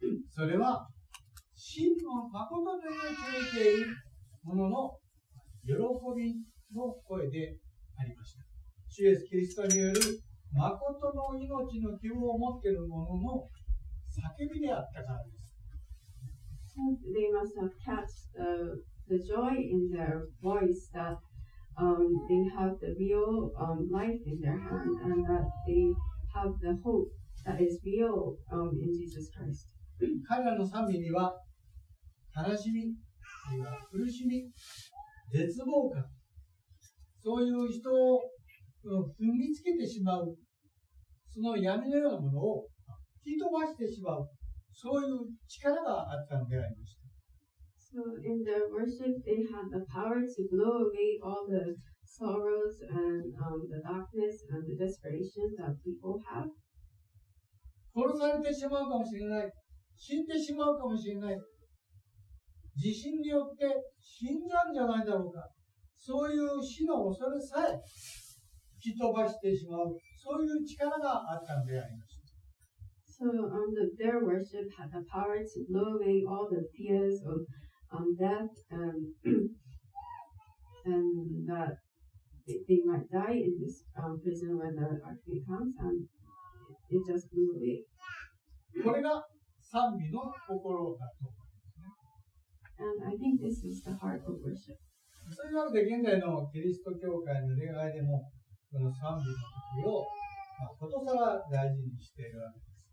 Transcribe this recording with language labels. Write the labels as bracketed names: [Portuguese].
[Japanese] それは真の誠の命を受けるものの喜びの声でありました。主イエスキリストによる誠の命の希望を持っている者の叫びであったからです。 [English] So、they must have catched the joy in their voice that they have the real life in their hand and that they have the hope that is real in Jesus Christ. [Japanese] 彼らの賛美には悲しみ、あるいは苦しみ、絶望感、そういう人を踏みつけてしまう、その闇のようなものを引き飛ばしてしまう、そういう力があったのでありました。 [English] So in their worship, they had the power to blow away all the sorrows and the darkness and the desperation that people have. [Japanese] 殺されてしまうかもしれない、死んでしまうかもしれない、地震によって死んじゃうんじゃないだろうか。そういう死の恐れさえ引き飛ばしてしまう、そういう力があったのであります。 [English] So, their worship had the power to blow away all the fears of death and that they might die in this prison when the earthquake comes, and it just blew away. [Japanese] これが賛美の心だと思います、ね。 [English] And I think this is the heart of worship. [Japanese] そういうわけで現在のキリスト教会の礼拝でもこの賛美の時を、まあ、ことさら大事にしているわけです。